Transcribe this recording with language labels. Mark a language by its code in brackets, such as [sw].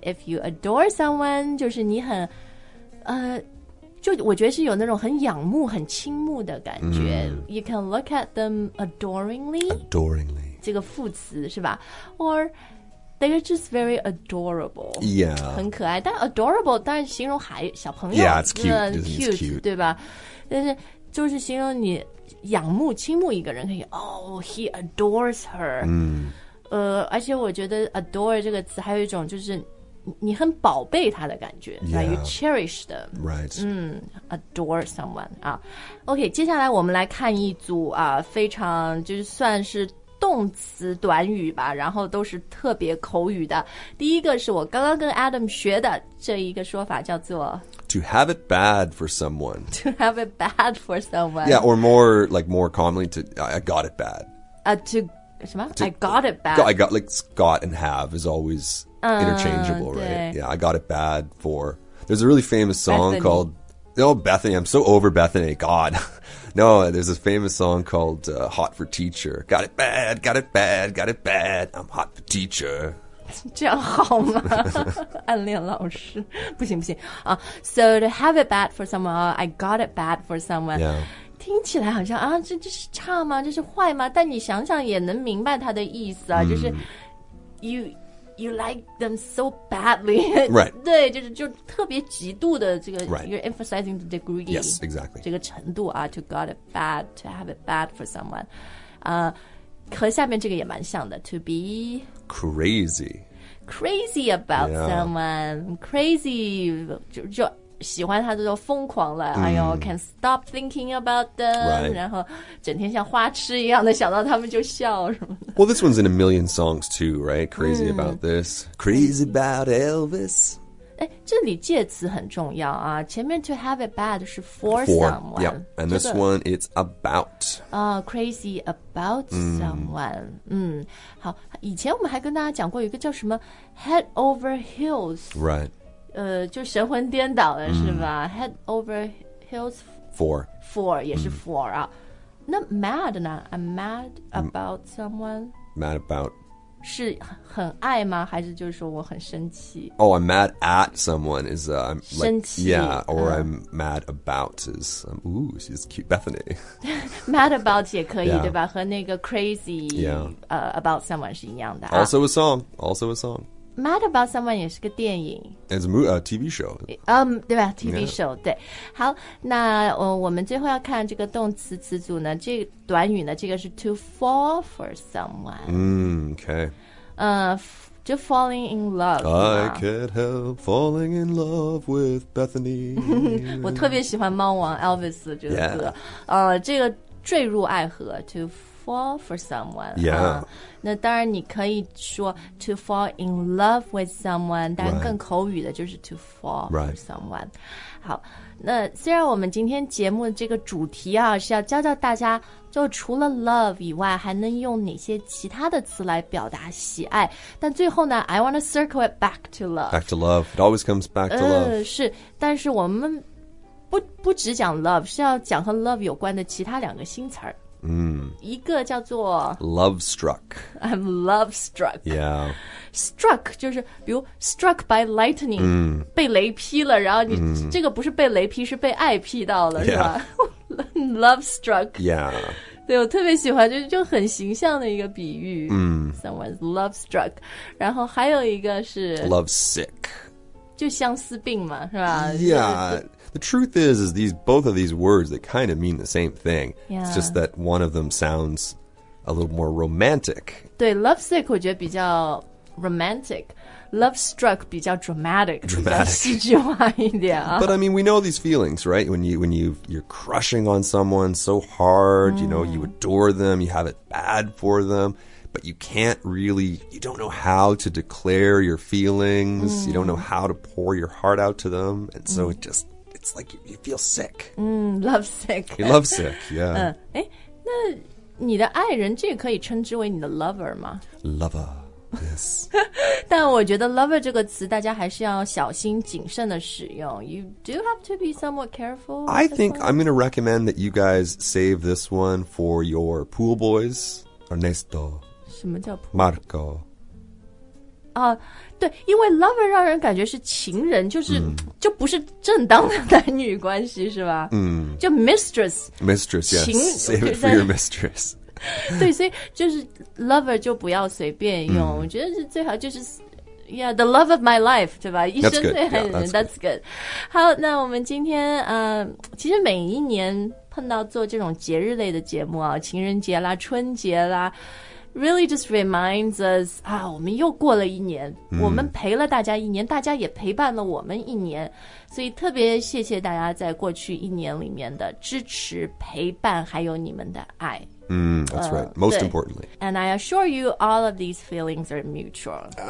[en] If you adore someone, [zh] 就是你很就我觉得是有那种很仰慕很倾慕的感觉、 [en] You can look at them adoringly [zh] 这个副词是吧 [en] Or they're just very adorable Yeah [zh] 很可爱但 adorable 当然形容孩小朋友 [en] Yeah it's cute, it's [zh] cute 对吧但是就是形容你仰慕倾慕一个人可以 [en] Oh he adores her、 [zh] 而且我觉得 adore 这个词还有一种就是你很宝贝他的感觉 [en] yeah, right, you cherish them right [zh] adore someone、OK 接下来我们来看一组、非常就是算是动词短语吧然后都是特别口语的第一个是我刚刚跟 Adam 学的这一个说法叫做 [en] to have it bad for someone to have it bad for someone yeah or more like more commonly to I got it bad to [zh] 什么 [en] to, I got it bad I got like got and have is alwaysinterchangeable, right? Yeah, I got it bad for... There's a really famous song、 Bethany. called... Oh, Bethany, I'm so over Bethany, God. No, there's a famous song called、Hot for Teacher. Got it bad, got it bad, got it bad. I'm hot for teacher. [zh] 这样好吗？暗恋老师。不行不行、 [en] So to have it bad for someone,、I got it bad for someone. Yeah. [zh] 听起来好像、这是差吗？这是坏吗？但你想想也能明白它的意思啊、就是 [en] You like them so badly. Right. [zh] 对就特别极度的这个、 [en] right. You're emphasizing the degree. Yes, exactly. [zh] 这个程度啊 [en] To got it bad, to have it bad for someone.、 [zh] 和下面这个也蛮像的 [en] To be... Crazy. Crazy about、 yeah. someone. Crazy. [zh] 就喜欢他就疯狂了、哎呦 [en] can't stop thinking about them、 right. [zh] 然后整天像花痴一样的想到他们就笑什么的 [en] Well, this one's in a million songs too, right? Crazy、about this Crazy about Elvis [zh] 哎，这里介词很重要啊前面 to have it bad 是 [en] for someone、 yep. And this one, it's about、 Crazy about someone、 [zh] 好以前我们还跟大家讲过一个叫什么 [en] Head over heels Right [zh] 就神魂颠倒了、是吧 Head over heels [en] Four [zh] 也是 [en] four 啊那 mad 呢 I'm mad about someone Mad about [zh] 是很爱吗还是就是说我很生气 [en] Oh, I'm mad at someone is, I'm like, [zh] 生气 [en] Yeah, or I'm mad about is, ooh, she's cute, Bethany [zh] Mad about 也可以、 [en] yeah. [zh] 对吧和那个 crazy、 [en] yeah. [zh] About someone 是一样的、啊、 [en] Also a song, also a song [zh] Mad about someone 也是个电影 [en] It's a TV show、对吧 TV、yeah. [zh] show, 对好那、我们最后要看这个动词词组呢这短语呢这个是 to fall for someone、 [en] Okay Just falling in love. I can't help falling in love with Bethany. [zh] 我特别喜欢猫王 Elvis 这个歌、 [en] yeah. [zh] 这个坠入爱河 To fall for someone. [en] Yeah.、 [zh] 那当然你可以说 [en] To fall in love with someone [zh] 但更口语的就是 [en] To fall、 right. for someone. [zh] 好那虽然我们今天节目的这个主题啊是要教教大家就除了 love 以外还能用哪些其他的词来表达喜爱但最后呢 [en] I want to circle it back to love Back to love, it always comes back to love [zh] 是但是我们 不只讲 love 是要讲和 love 有关的其他两个新词儿一个叫做 [en] Love struck I'm love struck Yeah [zh] Struck 就是比如 Struck by lightning、被雷劈了然后你、这个不是被雷劈是被爱劈到了、 [en] yeah. [zh] 是吧 Love struck [en] Yeah [zh] 对我特别喜欢 就很形象的一个比喻、 [en] Someone's love struck [zh] 然后还有一个是 [en] Love sick [zh] 就相思病嘛是吧 [en] Yeah The truth is these, both of these words, they kind of mean the same thing.、 Yeah. It's just that one of them sounds a little more romantic. [zh] 对 lovesick 我觉得比较 romantic. Love struck 比较 dramatic. [en] Dramatic. [zh] 比较戏剧化一点、啊、 [en] But I mean, we know these feelings, right? When you're crushing on someone so hard,、you know, you adore them, you have it bad for them, but you can't really, you don't know how to declare your feelings.、You don't know how to pour your heart out to them. And so、it just... It's like you feel sick. Love sick. You love sick, yeah. [zh] 那你的爱人这个可以称之为你的 lover 吗 [en] Lover, yes. [zh] 但我觉得 lover 这个词大家还是要小心谨慎的使用 [en] You do have to be somewhat careful. I think、 one? I'm going to recommend that you guys save this one for your pool boys. Ernesto. [zh] 什么叫 [en] pool? Marco. [zh] 对因为 lover 让人感觉是情人就是、就不是正当的男女关系是吧、就 mistress [en] mistress yes save it for your mistress [zh] 对所以就是 lover 就不要随便用、我觉得是最好就是 yeah [en] the love of my life [zh] 对吧一生最爱的人 [en] that's good. Yeah, [zh] that's good 好那我们今天、其实每一年碰到做这种节日类的节目啊，情人节啦春节啦 [en] Really just reminds us, [zh] 啊，我们又过了一年，我们陪了大家一年，大家也陪伴了我们一年，所以特别谢谢大家在过去一年里面的支持、陪伴，还有你们的爱。 [en] That's right, most importantly. And I assure you, all of these feelings are mutual.